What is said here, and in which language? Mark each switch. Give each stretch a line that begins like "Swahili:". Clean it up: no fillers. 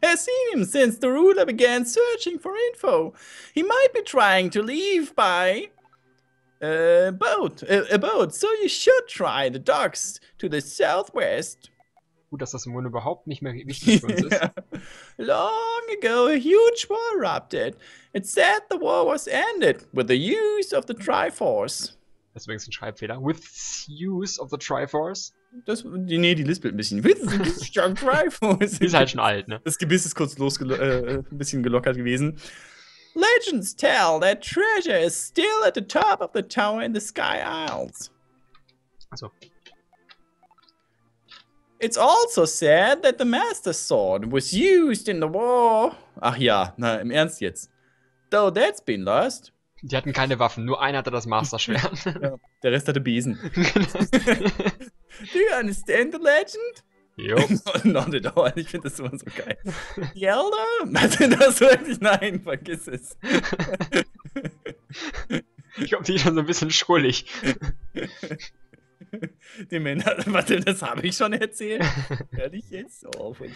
English: Has seen him since the ruler began searching for info. He might be trying to leave by a boat. So you should try the docks to the southwest.
German: Gut, dass das im Grunde überhaupt nicht mehr wichtig für uns ist.
English: Long ago a huge war erupted. It said the war was ended with the use of the Triforce.
German: Deswegen ist ein Schreibfehler.
English: With use of the Triforce.
German: Das, nee, die lispelt ein bisschen.
English: With the Triforce.
German: Ist halt schon alt, ne? Das Gebiss ist kurz ein bisschen gelockert gewesen.
English: Legends tell that treasure is still at the top of the tower in the Sky Isles.
German: Also.
English: It's also said that the Master Sword was used in the war.
German: Ach ja, na, im Ernst jetzt.
English: Though that's been lost.
German: Die hatten keine Waffen, nur einer hatte das Master Schwert. Ja, der Rest hatte Besen.
English: Do you understand the legend?
German: Jo.
English: Not at all.
German: Ich finde das immer so geil. The Elder? Das wirklich? Nein, vergiss es. Ich glaube, die ist schon so ein bisschen schrullig. Die Männer, warte, das habe ich schon erzählt. Ehrlich jetzt? Oh, voll